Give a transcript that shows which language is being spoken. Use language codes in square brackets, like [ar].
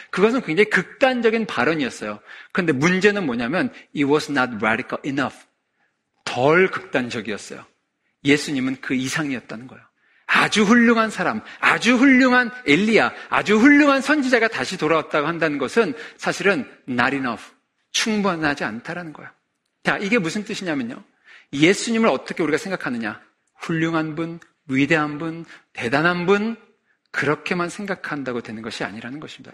[ko] 그것은 굉장히 극단적인 발언이었어요. 그런데 문제는 뭐냐면 [en] it was not radical enough. [ko] 덜 극단적이었어요. 예수님은 그 이상이었다는 거예요. 아주 훌륭한 사람, 아주 훌륭한 엘리야, 아주 훌륭한 선지자가 다시 돌아왔다고 한다는 것은 사실은 [en] not enough. [ko] 충분하지 않다라는 거야. 자, 이게 무슨 뜻이냐면요. 예수님을 어떻게 우리가 생각하느냐. 훌륭한 분, 위대한 분, 대단한 분, 그렇게만 생각한다고 되는 것이 아니라는 것입니다.